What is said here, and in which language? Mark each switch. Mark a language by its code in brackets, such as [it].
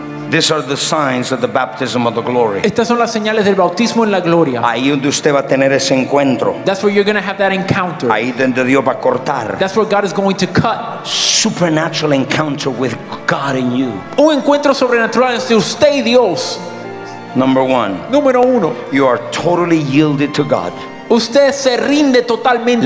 [en] These are the signs of the baptism of the glory. [es] Estas son las señales del bautismo en la gloria. Ahí donde usted va a tener ese encuentro. [en] That's where you're going to have that encounter. [es] Ahí donde Dios va a cortar. [en] That's where God is going to cut. Supernatural encounter with God in you. [es] Un encuentro sobrenatural entre usted y Dios. [en] Number one. [es] Número uno. [en] You are totally yielded to God. [es] Usted se rinde totalmente